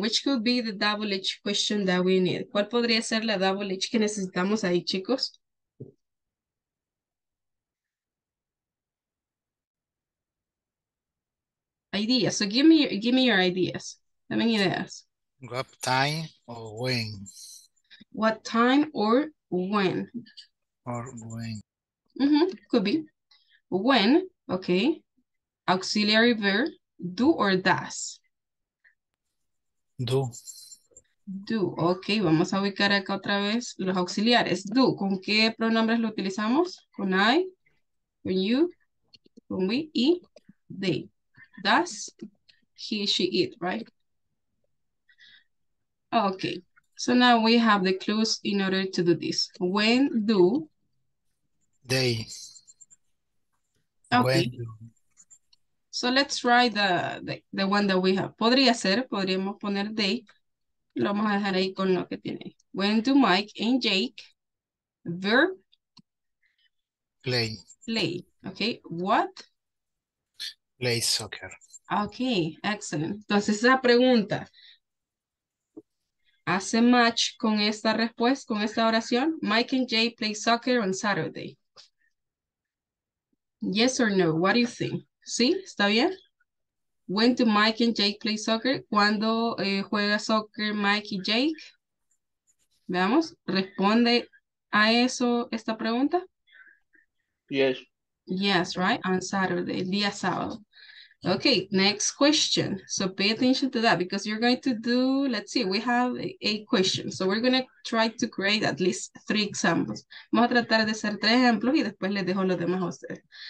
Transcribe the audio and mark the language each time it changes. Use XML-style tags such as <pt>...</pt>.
<en>Which could be the double H question that we need?</en> <es>¿Cuál podría ser la double H que necesitamos ahí, chicos?</es> <en>Ideas. So give me your ideas.</en> <es>Dame ideas.</es> <en>What time or when? What time or when? Or when. Mm-hmm. Could be. When, okay. Auxiliary verb, do or does? Do. Do, okay.</en> <es>Vamos a ubicar acá otra vez los auxiliares. Do, ¿con qué pronombres lo utilizamos? Con I, con you, con we, y they.</es> <en>Does, he, she, it, right? Okay. So now we have the clues in order to do this. When do they? Okay. When do. So let's try the one that we have.</en> <es>Podría ser, podríamos poner they. Lo vamos a dejar ahí con lo que tiene.</es> <en>When do Mike and Jake verb play? Play. Okay. What? Play soccer. Okay. Excellent.</en> <es>Entonces esa pregunta. ¿Hace match con esta respuesta, con esta oración?</es> <en>Mike and Jay play soccer on Saturday. Yes or no? What do you think?</en> <es>¿Sí? ¿Está bien?</es> <en>When do Mike and Jay play soccer?</en> <es>¿Cuándo juega soccer Mike y Jake? Veamos. ¿Responde a eso esta pregunta?</es> <en>Yes. Yes, right? On Saturday,</en> <es>el día sábado.</es> <en>Okay, next question. So pay attention to that because you're going to do, let's see, we have eight questions. So we're going to try to create at least three examples.</en> <es>Vamos a tratar de hacer tres ejemplos y después les dejo los demás a ustedes.</es>